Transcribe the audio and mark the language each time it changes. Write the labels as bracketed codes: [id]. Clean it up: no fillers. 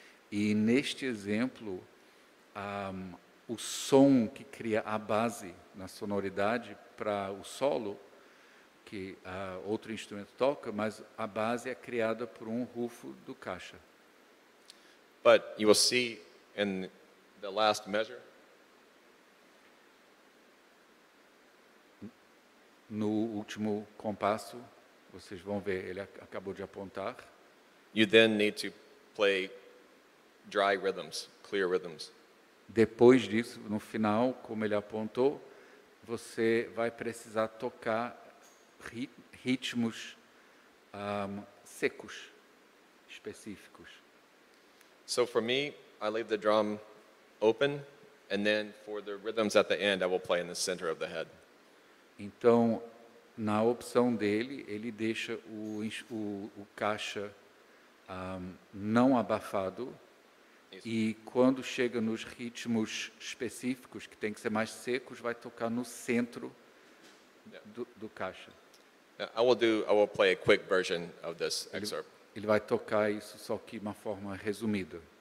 [pt] E neste exemplo, o som que cria a base na sonoridade para o solo que outro instrumento toca, mas a base é criada por um rufo do caixa. [en] But you will see in the last measure. [pt] No último compasso, vocês vão ver, ele acabou de apontar. [en] You then need to play dry rhythms, clear rhythms. [pt] Depois disso, no final, como ele apontou, você vai precisar tocar ritmos secos, específicos. [en] So for me, I leave the drum open, and then for the rhythms at the end, I will play in the center of the head. [pt] Então, na opção dele, ele deixa o caixa não abafado. E quando chega nos ritmos específicos, que tem que ser mais secos, vai tocar no centro do caixa. [en] I will play a quick version of this excerpt. [pt] Ele vai tocar isso, só que de uma forma resumida.